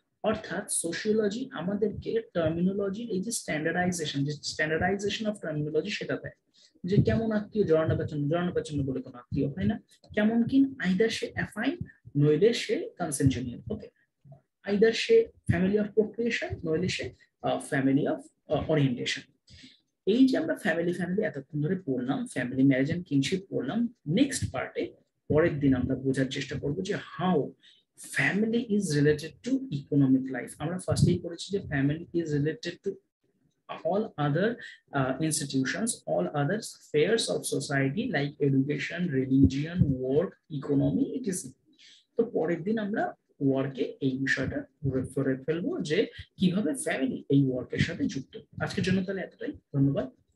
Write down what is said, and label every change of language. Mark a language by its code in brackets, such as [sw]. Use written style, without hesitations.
[bn] অর্থাৎ সোশিওলজি আমাদেরকে টার্মিনোলজির এই যে স্ট্যান্ডার্ডাইজেশন, যে স্ট্যান্ডার্ডাইজেশন অফ টার্মিনোলজি সেটা দেয়, যে কেমন আত্মীয়, জড়ানো পেঁচানো বলে কোনো আত্মীয় হয় না, কেমন কিন আইদার সে অ্যাফাইন, নইলে সে কনসাঙ্গুইনিয়াল, ওকে, আইদার সে ফ্যামিলি অফ প্রোক্রিয়েশন, নইলে সে ফ্যামিলি অফ ওরিয়েন্টেশন। এই যে আমরা ফ্যামিলি ফ্যামিলি এতক্ষণ ধরে পড়লাম, ফ্যামিলি ম্যারেজ অ্যান্ড কিংশিপ পড়লাম, নেক্সট পার্টে পরের দিন আমরা বোঝার চেষ্টা করবো যে how family is related to economic life. আমরা ফার্স্টেই পড়েছি যে family is related to [en] all other institutions, all other spheres of society like education, religion, work, economy, etc. [bn] তো পরের দিন আমরা ওয়ার্কে এই বিষয়টা রেফারে ফেলবো যে কিভাবে ফ্যামিলি এই ওয়ার্কের সাথে যুক্ত। আজকের জন্য তাহলে এতটাই, ধন্যবাদ।